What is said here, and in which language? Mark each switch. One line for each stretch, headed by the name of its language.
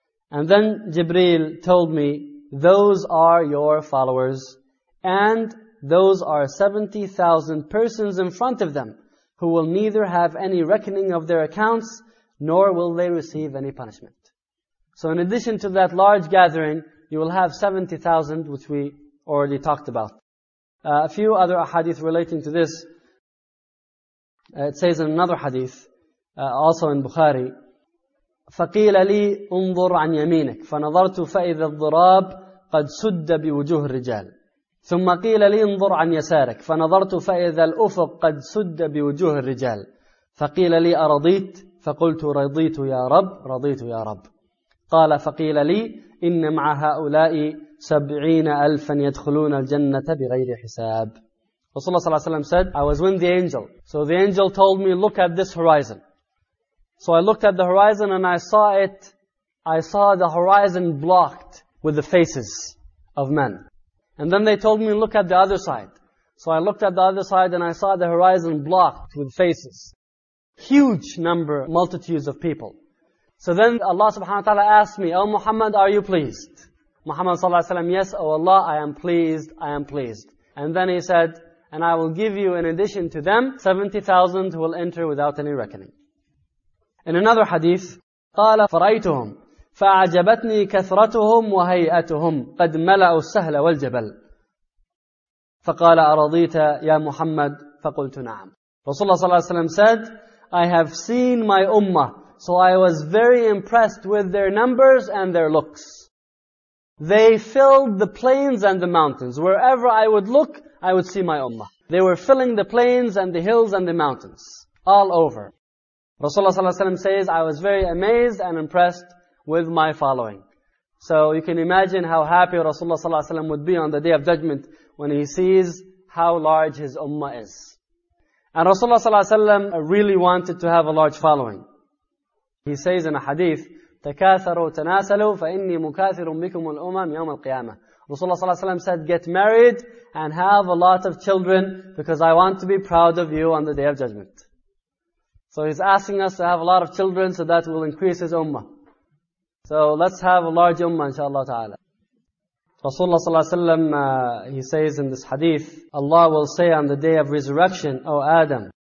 English: And then Jibreel told me, those are your followers, and those are 70,000 persons in front of them, who will neither have any reckoning of their accounts, nor will they receive any punishment. So in addition to that large gathering, you will have 70,000, which we already talked about. A few other ahadith relating to this. It says in another hadith, also in Bukhari,
Arabic: فَقِيلَ لِي أُنظُرْ عَنْ يَمِينِكَ فَنَظَرْتُ فَإِذَا الضُّرَابْ قَدْ سُدَّ بِوُجُوهِ الرِّجَالِ ثم قيل لي انظر عن يسارك فنظرت فإذا الأفق قد سد بوجوه الرجال فقيل لي أرضيت فقلت رضيت يا رب رضيت يا رب قال فقيل لي إن مع هؤلاء 70,000 يدخلون الجنة بغير حساب.
English: رسول الله صلى الله عليه وسلم said, I was with the angel. So the angel told me, look at this horizon. So I looked at the horizon and I saw the horizon blocked with the faces of men. And then they told me, look at the other side. So I looked at the other side and I saw the horizon blocked with faces. Huge number, multitudes of people. So then Allah subhanahu wa ta'ala asked me, O Muhammad, are you pleased? Muhammad sallallahu alayhi wa sallam, yes, O Allah, I am pleased, I am pleased. And then he said, and I will give you in addition to them, 70,000 who will enter without any reckoning. In another hadith,
Arabic: قَالَ فَرَيْتُهُمْ فَأَعْجَبَتْنِي كَثْرَتُهُمْ وَهَيْئَتُهُمْ قَدْ مَلَأُوا السَّهْلَ وَالْجَبَلِ فَقَالَ أَرَضِيْتَ يَا مُحَمَّدْ فَقُلْتُ نَعَمْ.
English: Rasulullah صلى الله عليه وسلم said, I have seen my ummah, so I was very impressed with their numbers and their looks. They filled the plains and the mountains. Wherever I would look, I would see my ummah. They were filling the plains and the hills and the mountains, all over. Rasulullah صلى الله عليه وسلم says, I was very amazed and impressed with my following. So you can imagine how happy Rasulullah sallallahu alayhi wa sallam would be on the Day of Judgment when he sees how large his ummah is. And Rasulullah sallallahu alayhi wa sallam really wanted to have a large following. He says in a hadith,
Arabic: تَكَاثَرُوا تَنَاسَلُوا فَإِنِّي مُكَاثِرٌ بِكُمُ الْأُمَمْ يَوْمَ الْقِيَامَةِ.
English: Rasulullah sallallahu alayhi wa sallam said, get married and have a lot of children because I want to be proud of you on the Day of Judgment. So he's asking us to have a lot of children so that will increase his ummah. So let's have a large ummah, inshaAllah ta'ala. Rasulullah sallallahu alayhi wa sallam, he says in this hadith, Allah will say on the day of resurrection, O Adam.